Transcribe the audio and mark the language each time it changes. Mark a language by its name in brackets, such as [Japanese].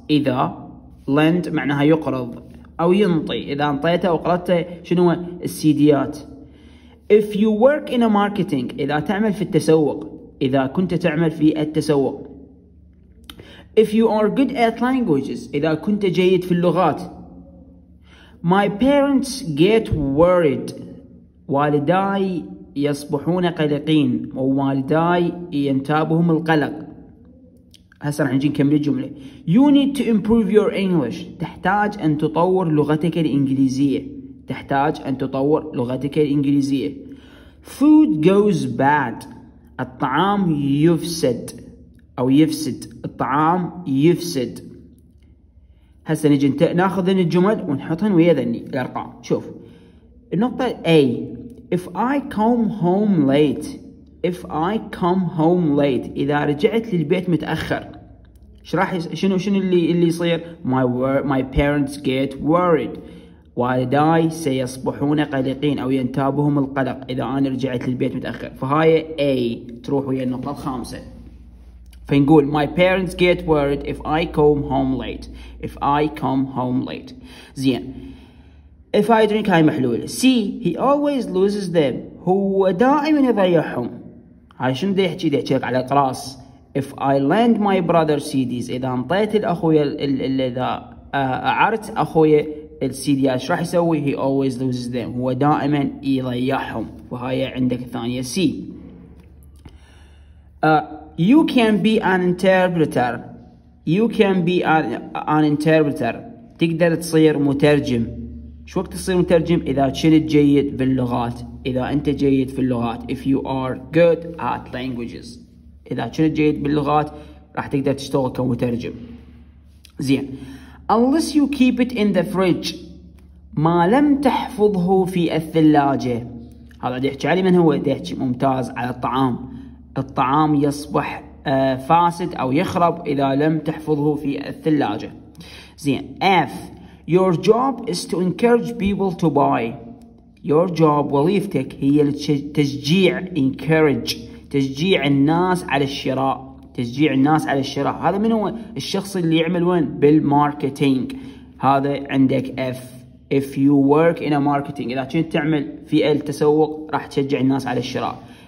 [Arabic] إذا lend معناها يقرض أو ينطي، إذا أنطيته أو أقرضته شنو السيديات. [English] If you work in a marketing، [Arabic] إذا تعمل في التسوق، إذا كنت تعمل في التسوق. [English] If you are good at languages، [Arabic] إذا كنت جيد في اللغات. [English] My parents get worried. [Arabic] والداي يصبحون قلقين، ووالداي ينتابهم القلق. هسه راح نجي نكمل الجملة. [English] You need to improve your English. [Arabic] تحتاج أن تطور لغتك الإنجليزية. تحتاج أن تطور لغتك الإنجليزية. [English] Food goes bad. [Arabic] الطعام يفسد أو يفسد. الطعام يفسد. هسه نجي ناخذ الجمل ونحطهن ويا ذني الارقام. شوف النقطه [English] A، if I come home late. if I come home late، [Arabic] اذا رجعت للبيت متاخر ايش راح شنو اللي يصير؟ [English] my parents get worried. [Arabic] والداي سيصبحون قلقين او ينتابهم القلق اذا انا رجعت للبيت متاخر. فهاي A تروح ويا النقطه الخامسه. [English] فنقول my parents get worried if I come home late. If I come home late. زين. If I drink [Arabic] هاي محلول. [English] See he always loses them. [Arabic] هو دائما يضيعهم. هاي شنو دي يحكي؟ دي يحكي على القراص. [English] If I lend my brother CDs. [Arabic] إذا انطيت الأخوية إذا عرت أخوية السيديات إيش راح يسوي؟ [English] He always loses them. [Arabic] هو دائما يضيعهم. وهاي عندك الثانية C. [English] You can be an interpreter. You can be an interpreter. [Arabic] تقدر تصير مترجم. شو وقت تصير مترجم؟ إذا كنت جيد باللغات. إذا أنت جيد في اللغات. [English] If you are good at languages. [Arabic] إذا كنت جيد باللغات راح تقدر تشتغل كمترجم. زين. [English] Unless you keep it in the fridge. [Arabic] ما لم تحفظه في الثلاجة. هذا يحكي علي من هو؟ يحكي ممتاز على الطعام. الطعام يصبح فاسد أو يخرب إذا لم تحفظه في الثلاجة. زين. F. [English] Your job is to encourage people to buy. Your job [Arabic] وظيفتك هي تشجيع encourage تشجيع الناس على الشراء. تشجيع الناس على الشراء. هذا من هو الشخص اللي يعمل وين؟ بالماركتينج. هذا عندك F. [English] If you work in a marketing، [Arabic] إذا كنت تعمل في التسوق راح تشجع الناس على الشراء.